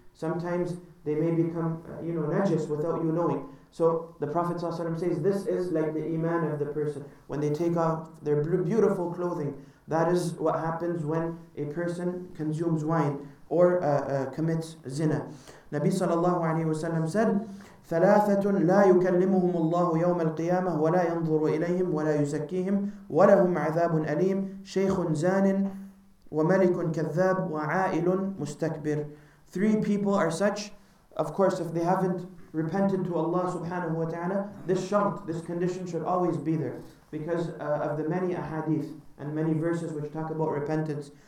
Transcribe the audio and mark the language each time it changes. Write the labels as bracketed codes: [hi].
[en] Sometimes they may become, you know, najis without you knowing. So the Prophet ﷺ says, this is like the iman of the person. When they take off their beautiful clothing, that is what happens when a person consumes wine or commits zina. [ar] Nabi sallallahu alayhi wa sallam said, ثَلَاثَةٌ لَا يُكَلِّمُهُمُ اللَّهُ يَوْمَ الْقِيَامَةِ وَلَا يَنْظُرُ إِلَيْهِمْ وَلَا يُزَكِّيهِمْ وَلَهُمْ عَذَابٌ أَلِيمٌ شَيْخٌ زَانٍ وَمَلِكٌ كَذَّابٌ وَعَائِلٌ مُسْتَكْبِرٌ. [en] Three people are such, of course, if they haven't repented to Allah subhanahu wa ta'ala, this shart, this condition should always be there because of the many ahadith and many verses which talk about repentance.